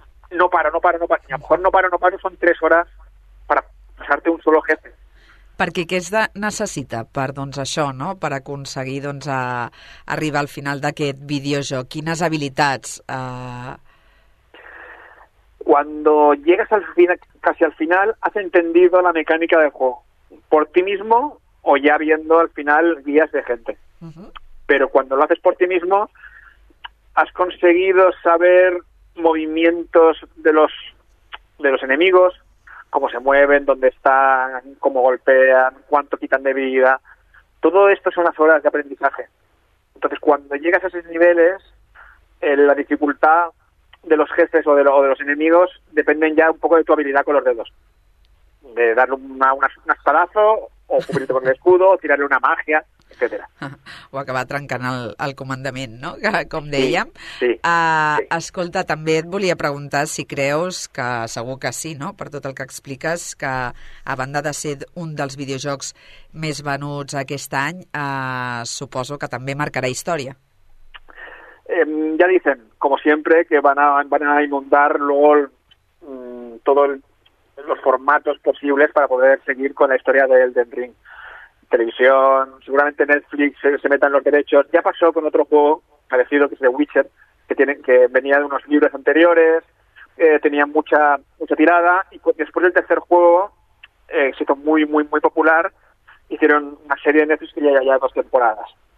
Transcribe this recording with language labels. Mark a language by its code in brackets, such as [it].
[es] No paro. A lo mejor no paro, son 3 horas para pasarte un solo jefe. [ca] Perquè què es necessita per, doncs, això, no? Per aconseguir, doncs, a arribar al final d'aquest videojoc? Quines habilitats? [es] Cuando llegas al final, casi al final, has entendido la mecánica del juego. Por ti mismo o ya viendo al final guías de gente. Pero cuando lo haces por ti mismo, has conseguido saber movimientos de los enemigos, cómo se mueven, dónde están, cómo golpean, cuánto quitan de vida. Todo esto son las horas de aprendizaje. Entonces, cuando llegas a esos niveles, la dificultad de los jefes o de los enemigos dependen ya un poco de tu habilidad con los dedos. De darle un espadazo, o cubrirte con el escudo, o tirarle una magia, etcètera. [ca] O acabar trencant el comandament, no? Com dèiem. Sí, sí, sí. Escolta, també et volia preguntar si creus que, segur que sí, no? Per tot el que expliques, que a banda de ser un dels videojocs més venuts aquest any, suposo que també marcarà història. [es] Ya dicen, como siempre, que van a inundar luego los formatos posibles para poder seguir con la historia de Elden Ring. Televisión, seguramente Netflix se metan los derechos. Ya pasó con otro juego parecido, que es The Witcher, que venía de unos libros anteriores, tenía mucha mucha tirada, y después del tercer juego, se hizo muy, muy, muy popular, hicieron una serie de Netflix que ya había dos temporadas.